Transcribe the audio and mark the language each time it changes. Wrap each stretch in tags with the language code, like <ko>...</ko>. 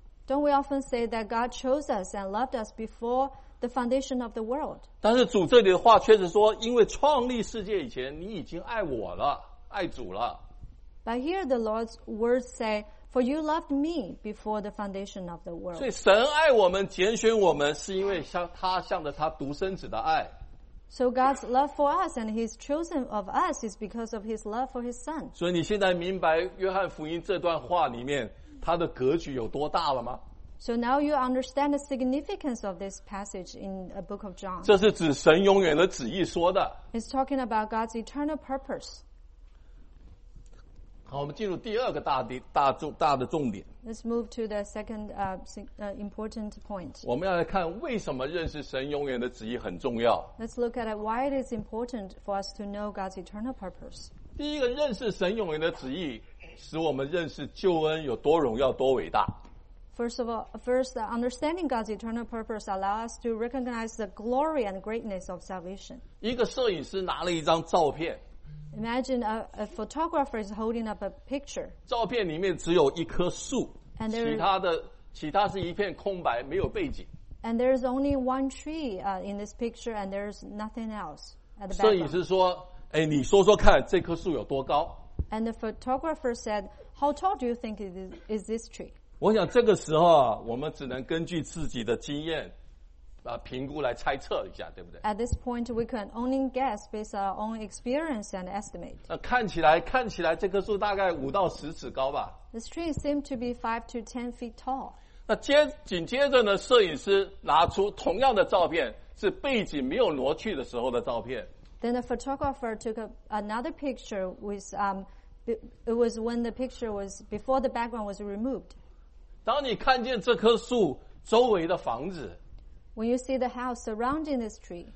<en>Don't we often say that God chose us and loved us before the foundation of the world.</en> <zh>但是主这里的话确实说，因为创立世界以前，你已经爱我了，爱主了。</zh> <en>But here the Lord's words say, "For you loved me before the foundation of the world."</en> <zh>所以神爱我们，拣选我们，是因为像他向着他独生子的爱。</zh> <en>So God's love for us and His chosen of us is because of His love for His Son.</en> <zh>所以你现在明白约翰福音这段话里面它的格局有多大了吗？</zh> <en>So now you understand the significance of this passage in the book of John.</en> <zh>这是指神永远的旨意说的。</zh> <en>It's talking about God's eternal purpose.</en> <zh>好，我们进入第二个大的重点。</zh> <en>Let's move to the second important point.</en> <zh>我们要来看为什么认识神永远的旨意很重要。</zh> <en>Let's look at why it is important for us to know God's eternal purpose.</en> <zh>第一个，认识神永远的旨意，使我们认识救恩有多荣耀、多伟大。</zh> <en>First, understanding God's eternal purpose allows us to recognize the glory and greatness of salvation.</en> <zh>一个摄影师拿了一张照片。</zh> <en>Imagine a photographer is holding up a picture.</en> <zh>照片里面只有一棵树，其他是一片空白，没有背景。</zh> <en>And there is only one tree in this picture, and there is nothing else at the background.</en> <zh>摄影师说：“哎，你说说看，这棵树有多高？”</zh> <en>And the photographer said, "How tall do you think is this tree?"</en> <zh>我想这个时候啊，我们只能根据自己的经验。评估来猜测一下，对不对？</zh> <en>At this point, we can only guess based on our own experience and estimate.</en> <zh>看起来这棵树大概五到十尺高吧。</zh> <en>The tree seemed to be 5 to 10 feet tall.</en> <zh>那紧接着呢，摄影师拿出同样的照片，是背景没有挪去的时候的照片。</zh> <en>Then the photographer took another picture with it was when the picture was before the background was removed.</en> <zh>当你看见这棵树周围的房子。 When you see the house surrounding this tree,</zh>